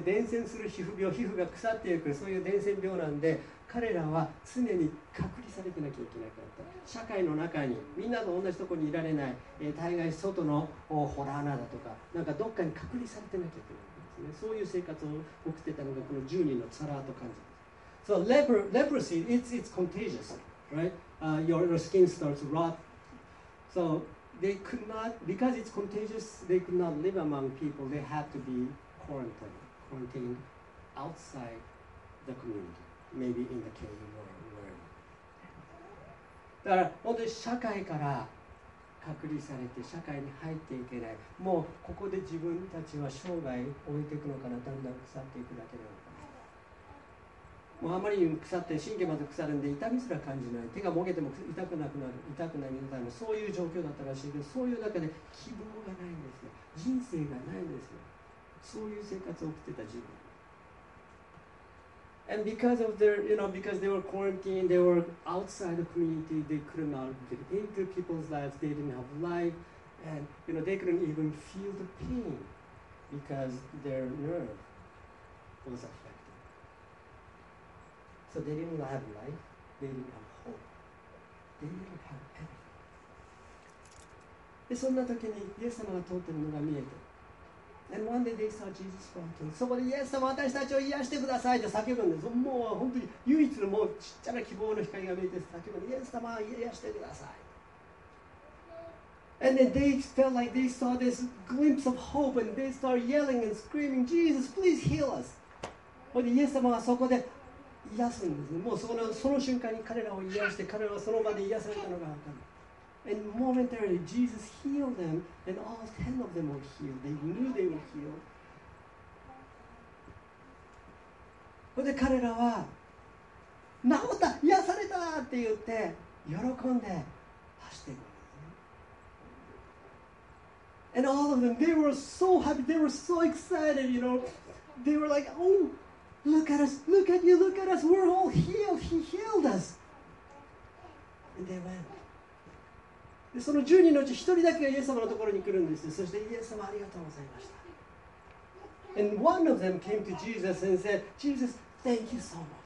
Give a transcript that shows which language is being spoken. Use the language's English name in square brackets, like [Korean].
[Japanese] 伝染する皮膚病、皮膚が腐っていく、そういう伝染病なんで彼らは常に隔離されてなきゃいけなかった。社会の中にみんなと同じところにいられない、大概外のホラー穴だとか、なんかどっかに隔離されてなきゃいけないんですね。そういう生活を送ってたのがこの10人のサラート患者です。 [English] So leprosy, it's contagious, right?、your skin starts to rot. So they could not, because it's contagious, they could not live among people. They had to be quarantined outside the community. Maybe in the cave or wherever. [Japanese] だから本当に社会から隔離されて社会に入っていけない、もうここで自分たちは生涯置いていくのかな、だんだん腐っていくだけなのかな、もうあまりに腐って神経まで腐るんで痛みすら感じない、手がもげても痛くなくなる、痛くないみたいな、そういう状況だったらしいけど、そういう中で希望がないんですよ、人生がないんですよ、そういう生活を送ってた自分。 [English] And because of their, you know, because they were quarantined, they were outside the community, they could not get into people's lives, they didn't have life, and, you know, they couldn't even feel the pain because their nerve was affected. So they didn't have life, they didn't have hope, they didn't have anything. [Japanese] で、そんな時にイエス様が通っているのが見えて、 [English] And one day they saw Jesus walking. [Japanese] そこでイエス様、私たちを癒してくださいと叫ぶんです。もう本当に唯一のもうちっちゃな希望の光が見えて叫ぶんです。イエス様、癒してください。 [English] And then they felt like they saw this glimpse of hope and they started yelling and screaming, Jesus, please heal us. [Japanese] でイエス様はそこで癒すんです。もうその瞬間に彼らを癒して、彼らはその場で癒されたのが分かる。 [English] And momentarily, Jesus healed them, and all 10 of them were healed. They knew they were healed. [Japanese] それで彼らは、治った癒されたって言って、喜んで走っていく。 [English] And all of them, they were so happy, they were so excited, you know. They were like, oh, look at us, look at you, look at us, we're all healed, he healed us. And they went. [Japanese] でその10人のうち1人だけがイエス様のところに来るんです。そしてイエス様ありがとうございました。 [English] And one of them came to Jesus and said, Jesus, thank you so much.